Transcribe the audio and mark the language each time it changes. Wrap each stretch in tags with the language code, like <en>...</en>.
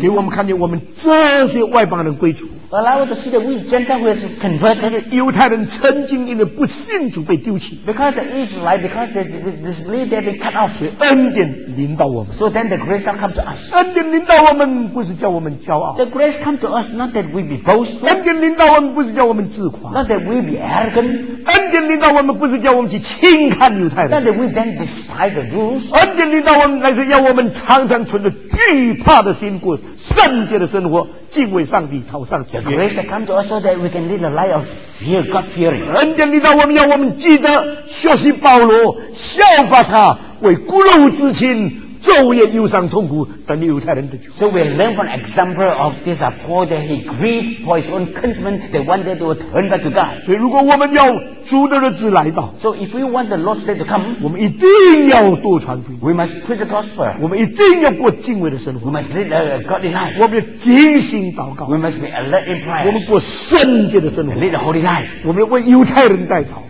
<zh>给我们看见我们这些外邦人归主。</zh> <en>Allow us to see that we Gentiles who have converted.</en> <zh>犹太人曾经因为不信主被丢弃。</zh> <en>Because the Israelite, because the slave, they've been cut off.</en> <zh>所以恩典临到我们。</zh> <en>So then the grace comes to us.</en> <zh>恩典临到我们不是叫我们骄傲。</zh> <en>The grace comes to us not that we be boastful.</en> <zh>恩典临到我们不是叫我们自夸。</zh> <en>Not that we be arrogant.</en> <zh>恩典临到我们不是叫我们去轻看犹太人。</zh> <en>Not that we then despise the Jews.</en> <zh>恩典临到我们乃是要我们常常存着惧怕的心过圣洁的生活。敬畏上帝，讨上帝。</zh> <en>The grace that comes to us so that we can live a life of fear, God fearing.</en> <zh>恩典临到我们，要我们记得学习保罗，效法他，为骨肉至亲，昼夜忧伤痛苦，等犹太人的救。</zh> <en>So we learn from example of this Paul that he grieved for his own countrymen that one day they will turn back to God.</en> <zh>所以，如果我们要主的日子来到</zh> <en>，So if we want the Lord's day to come，</en> <zh>我们一定要多传福音。</zh> <en>We must preach the gospel。</en> <zh>我们一定要过敬畏的生活。</zh> <en>We must live a godly life。</en> <zh>我们要精心祷告。</zh> <en>We must be alert in prayer。</en> <zh>我们过圣洁的生活。</zh> <en>Live a holy life。</en> <zh>我们要为犹太人代祷。</zh>